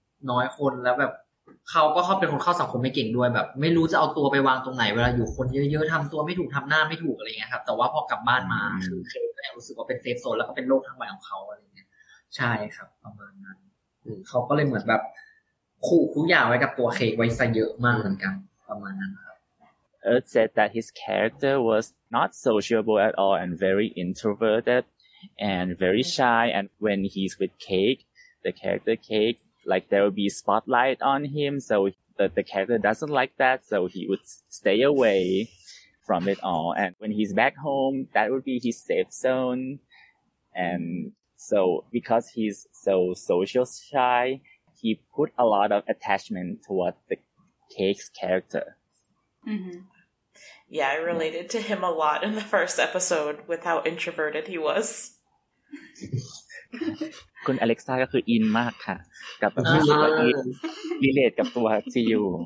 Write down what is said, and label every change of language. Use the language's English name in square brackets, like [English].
[Thai] น้อยคนแล้วแบบเขาก็เขาเป็นคนเข้าสังคมไม่เก่งด้วยแบบไม่รู้จะเอาตัวไปวางตรงไหนเวลาอยู่คนเยอะๆทำตัวไม่ถูกทำหน้าไม่ถูกอะไรเงี้ยครับแต่ว่าพอกลับบ้านมาคือเค้กก็ยังรู้สึกว่าเป็นเซฟโซนแล้วก็เป็นโลกทั้งใบของเขาอะไรเงี้ยใช่ครับประมาณนั้นเขาก็เลยเหมือนแบบขู่ทุกอย่างไว้กับตัวเค้กไว้ซะเยอะมากเหมือนกันประมาณนั้น [English] Earth said that his character was not sociable at all and very introverted and very shy. And when he's with Cake, the character Cake, like there will be spotlight on him. So the character doesn't like that. So he would stay away from it all. And when he's back home, that would be his safe zone. And so because he's so social shy, he put a lot of attachment toward the Cake's character. Yeah, I related to him a lot in the first episode with how introverted he was. [Thai] คุณอเล็กซ่าก็คืออินมากค่ะกับที่ว่าอินรีเลทกับตัวซีอู